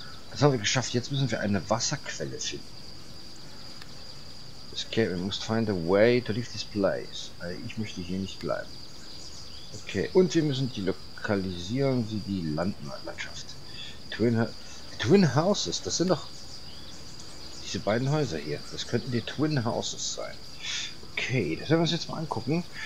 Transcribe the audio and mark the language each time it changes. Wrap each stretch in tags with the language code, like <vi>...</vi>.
<de>Das haben wir geschafft. Jetzt müssen wir eine Wasserquelle finden.</de> <en>Okay, we must find a way to leave this place.</en> <de>Also ich möchte hier nicht bleiben. Okay, und wir müssen die lokalisieren, wie die Landmannschaft. Twin Houses, das sind doch diese beiden Häuser hier. Das könnten die Twin Houses sein. Okay, das werden wir uns jetzt mal angucken.</de>